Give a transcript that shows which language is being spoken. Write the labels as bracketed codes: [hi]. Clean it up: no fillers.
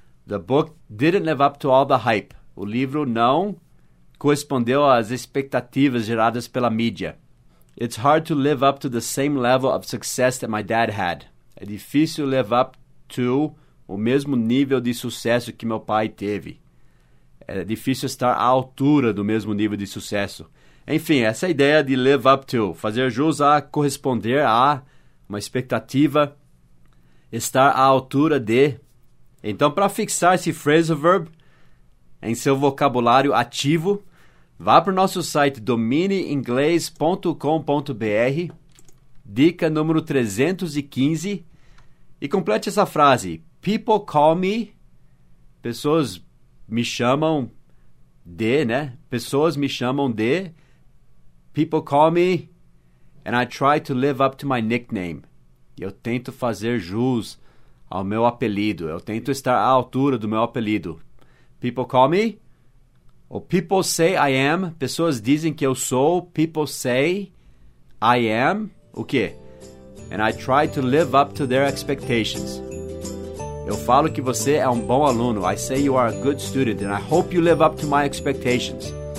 [en] The book didn't live up to all the hype. [pt] O livro não correspondeu às expectativas geradas pela mídia. [en] It's hard to live up to the same level of success that my dad had. [pt] É difícil [en] live up to [pt] o mesmo nível de sucesso que meu pai teve. É difícil estar à altura do mesmo nível de sucesso. Enfim, essa ideia de live up to, fazer jus a corresponder a uma expectativa, estar à altura de. Então, para fixar esse phrasal verb em seu vocabulário ativo, vá para o nosso site domineinglês.com.br, dica número 315, e complete essa frase. [en] People call me, [pt] pessoas me chamam de, né? Pessoas me chamam de. [en] People call me, and I try to live up to my nickname. [pt] Eu tento fazer jus ao meu apelido. Eu tento estar à altura do meu apelido. [en] People call me. Ou people say I am. [pt] Pessoas dizem que eu sou. [en] People say I am. [pt] O quê? [en] And I try to live up to their expectations. [pt] Eu falo que você é um bom aluno. [en] I say you are a good student, and I hope you live up to my expectations.